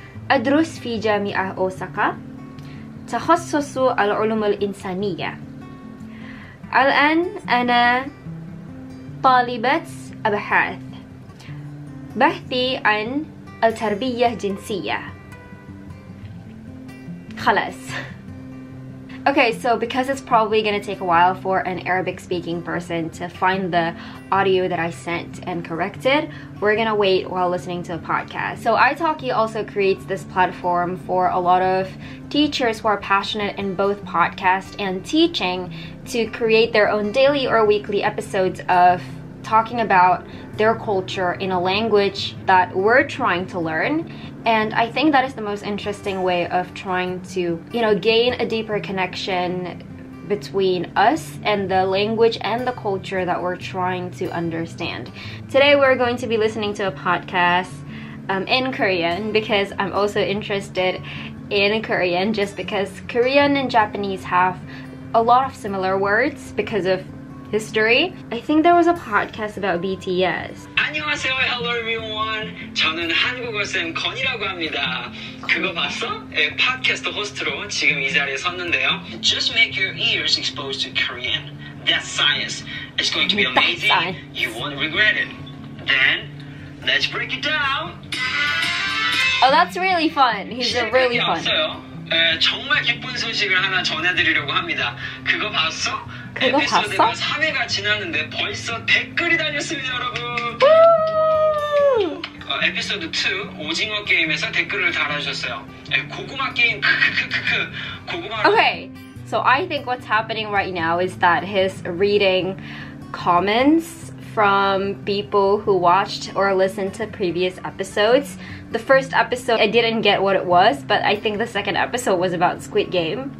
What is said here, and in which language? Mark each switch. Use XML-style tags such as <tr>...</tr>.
<ar>أدرس في جامعة أوساكا. تخصص العلوم الإنسانية. الآن أنا طالبة أبحاث. بحثي عن التربية الجنسية. خلاص.</ar> <en>Okay, so because it's probably going to take a while for an Arabic speaking person to find the audio that I sent and corrected, we're going to wait while listening to a podcast. So iTalki also creates this platform for a lot of teachers who are passionate in both podcast and teaching to create their own daily or weekly episodes of talking about their culture in a language that we're trying to learn. And I think that is the most interesting way of trying to, you know, gain a deeper connection between us and the language and the culture that we're trying to understand. Today we're going to be listening to a podcast in Korean because I'm also interested in Korean, just because Korean and Japanese have a lot of similar words because of history. I think there was a podcast about BTS.</en> <ko>안녕하세요.</ko> <en>Hello everyone.</en> <ko>저는 한국어 쌤 건이라고 합니다. 그거 봤어? 네, 팟캐스트 호스트로 지금 이 자리에 섰는데요.</ko> <en>Just make your ears exposed to Korean. That's science. It's going to be amazing. You won't regret it. Then, let's break it down. Oh, that's really fun. He's a really fun.</en> <ko>없어요. 에, 정말 기쁜 소식을 하나 전해드리려고 합니다. 그거 봤어? 그거 봤어? 3회가 지났는데 벌써 댓글이 달렸습니다, 여러분. 어, 에피소드 2, 오징어 게임에서 댓글을 달아주셨어요. 에, 고구마 게임, 크크크크크. 고구마.</ko> <en>Okay, so I think what's happening right now is that he's reading comments from people who watched or listened to previous episodes. The first episode, I didn't get what it was, but I think the second episode was about Squid Game.</en>